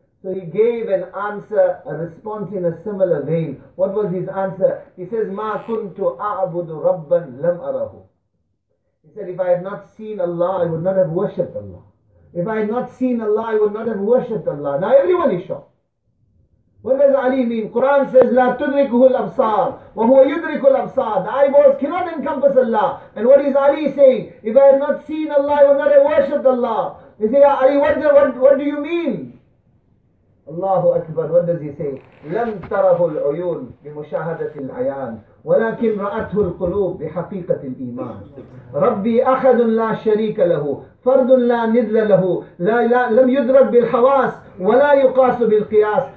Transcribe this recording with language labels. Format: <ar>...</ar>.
<en>So he gave an answer, a response in a similar vein. What was his answer? He says,</en> <ar>ma kuntu a'budu rabban lam arahu.</ar> <en>He said, if I had not seen Allah, I would not have worshipped Allah. If I had not seen Allah, I would not have worshipped Allah. Now everyone is shocked. What does Ali mean? Quran says,</en> <ar>لَا تُدْرِكُهُ الْأَبْصَارِ وَهُوَ يُدْرِكُ الْأَبْصَارِ.</ar> <en>The eyeballs cannot encompass Allah. And what is Ali saying? If I had not seen Allah, I would not have worshipped Allah. They say, Ali, what do you mean? Allahu Akbar, what does he say?</en> <ar>لَمْ تَرَهُ الْعُيُونَ بِمُشَاهَدَةِ الْعَيَانِ وَلَكِنْ رَأَتْهُ الْقُلُوبِ بِحَقِيقَةِ الْإِيمَانِ رَبِّي أَخَذٌ لَا شَرِيكَ لَهُ فَرْدٌ لَا نِدْلَ لَهُ لَمْ يُدْرَكْ بِالْحَوَاسِ وَلَا يُقَاسُ بِالْقِيَاسِ.</ar>